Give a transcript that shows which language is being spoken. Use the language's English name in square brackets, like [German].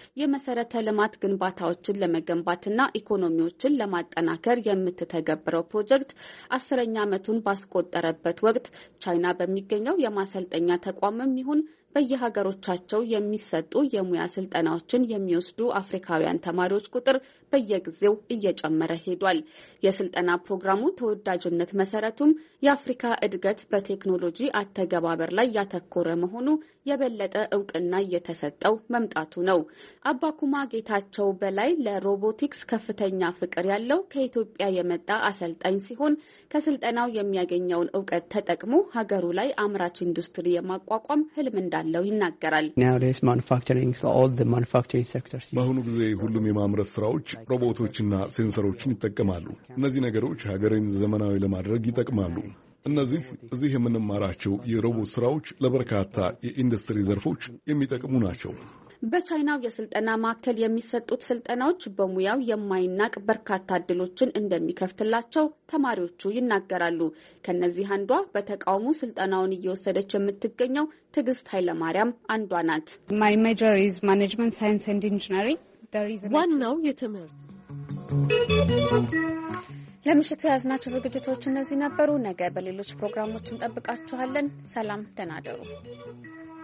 [Amharic] የመሰረተ ልማት ግንባታዎችን ለመገንባትና ኢኮኖሚዎችን ለማጠናከር የምትተገብረው ፕሮጀክት 10ኛ ዓመቱን ባስቆጠረበት ወቅት ቻይና በሚገኘው የማሰልጠኛ ተቋምም ይሁን በየሀገሮቻቸው የሚሰጡ የሙያ ስልጠናዎችን የሚወስዱ አፍሪካውያን ተማሪዎች ቁጥር በየጊዜው እየጨመረ ሄዷል። የስልጠና ፕሮግራሙ ተወዳጅነት መሰረቱም የአፍሪካ እድገት በቴክኖሎጂ አተገባበር ላይ ያተኮረ መሆኑ የበለጠ እውቅና እየተሰጠው መምጣቱ ነው። አባኩማ ጌታቸው በላይ ለሮቦቲክስ ከፍተኛ ፍቅር ያለው ከኢትዮጵያ የመጣ አሰልጣኝ ሲሆን ከስልጠናው የሚያገኘውን እውቀት ተጠቅሞ ሀገሩ ላይ አምራች ኢንዱስትሪ የማቋቋም ህልም እንዳለው ይናገራል። [English] Nowadays manufacturing is all the manufacturing sectors. [Amharic] በአሁኑ ጊዜ ሁሉም የማምረት ስራዎች ሮቦቶችና ሴንሰሮችን ይጠቀማሉ። እነዚህ ነገሮች ሀገሪን ዘመናዊ ለማድረግ ይጠቅማሉ። እነዚህ እዚህ የምንማራቸው የሮቦት ስራዎች ለበርካታ የኢንዱስትሪ ዘርፎች የሚጠቅሙ ናቸው። በቻይናው የስልጠና ማዕከል የሚሰጡት ስልጠናዎች በሙያው የማይናቅ በርካታ ድሎችን እንደሚከፍትላቸው ተማሪዎቹ ይናገራሉ። ከነዚህ አንዷ በተቃውሞ ስልጠናውን እየወሰደች የምትገኘው ትግስት ኃይለ ማርያም አንዷ ናት። [English] My major is management science and engineering. [Amharic] ዋናው የትምህርት ለምሽቱ ያዝናቸው ዝግጅቶች እነዚህ ነበሩ። ነገ በሌሎች ፕሮግራሞች እንጠብቃችኋለን። ሰላም ደናደሩ።